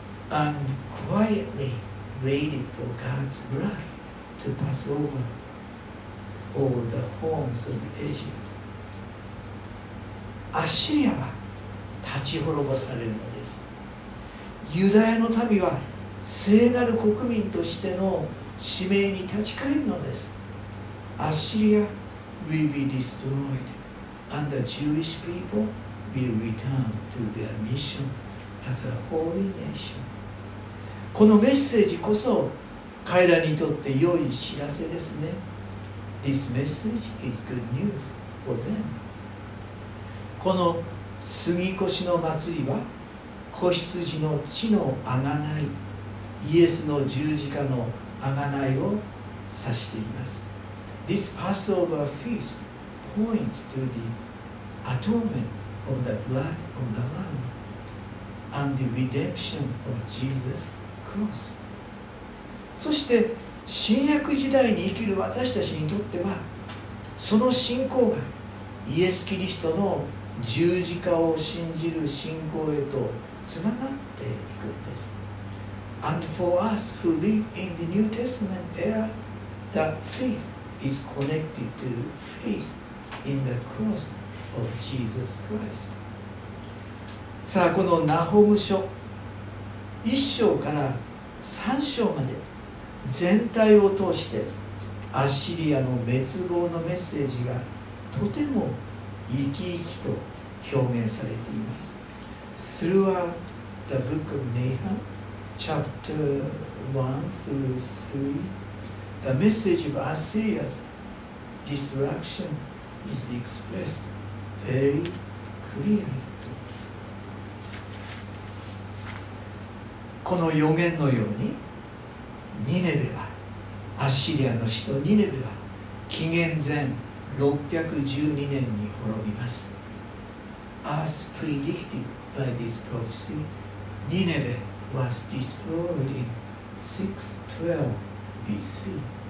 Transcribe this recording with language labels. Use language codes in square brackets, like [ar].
[en] and quietly waited for God's wrath to pass over all the homes of Egypt. [ja] アッシリアは立ち滅ぼされるのです。ユダヤの民は聖なる国民としての使命に立ち返るのです。 [en] アッシリア will be destroyed and the Jewish people will return to their mission as a holy nation。 [ja] このメッセージこそ彼らにとって良い知らせですね。 [en] This message is good news for them。 [ja] この過ぎ越しの祭りは子羊の血のあがない、イエスの十字架のあがないを指しています。 [en] This Passover feast points to the atonement of the blood of the Lamb and the redemption of Jesus' cross。 [ja] そして新約時代に生きる私たちにとってはその信仰がイエス・キリストの十字架を信じる信仰へとつながっていくんです。 [en] And for us who live in the New Testament era, that faith is connected to faith in the cross of Jesus Christ。 [ja] さあ、このナホム書1章から3章まで全体を通してアッシリアの滅亡のメッセージがとても生き生きと表現されています。 [en] Throughout the book of Nahum, chapter 1 through 3, the message of Assyria's destruction is expressed very clearly。 [ja] この予言のようにニネベは、アッシリアの首都ニネベは紀元前612年に滅びます。 [en] As predicted by this prophecy, Nineveh was destroyed in 612 BC.